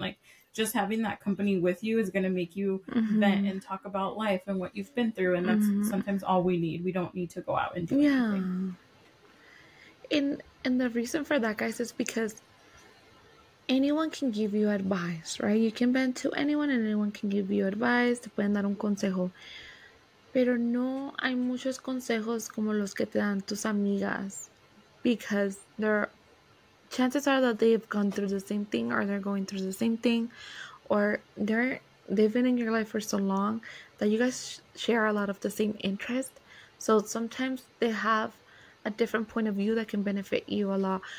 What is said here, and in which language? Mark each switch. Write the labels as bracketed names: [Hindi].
[English] Like just having that company with you is going to make you vent and talk about life and what you've been through, and that's sometimes all we need. We don't need to go out and do anything. And And the reason for that, guys, is because anyone can give you advice, right? You can bend to anyone and anyone can give you advice. [Spanish] Te pueden dar un consejo. Pero no hay muchos consejos como los que te dan tus amigas. [English] Because there are, chances are that they've gone through the same thing or they're going through the same thing. Or they've been in your life for so long that you guys share a lot of the same interest. So sometimes they have a different point of view that can benefit you a lot.